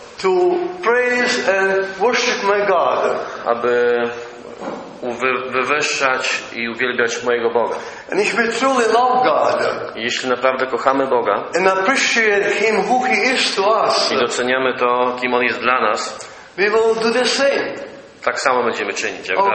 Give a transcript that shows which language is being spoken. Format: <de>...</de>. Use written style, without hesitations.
<en>To praise and worship my God.</en> <pl>Aby wywyższać i uwielbiać mojego Boga.</pl> <en>And if we truly love God,</en> <pl>jeśli naprawdę kochamy Boga</pl> <en>and appreciate him who he is to us,</en> <pl>i doceniamy to, kim On jest dla nas,</pl> <en>we will do the same.</en> <pl>Tak samo będziemy czynić.</pl>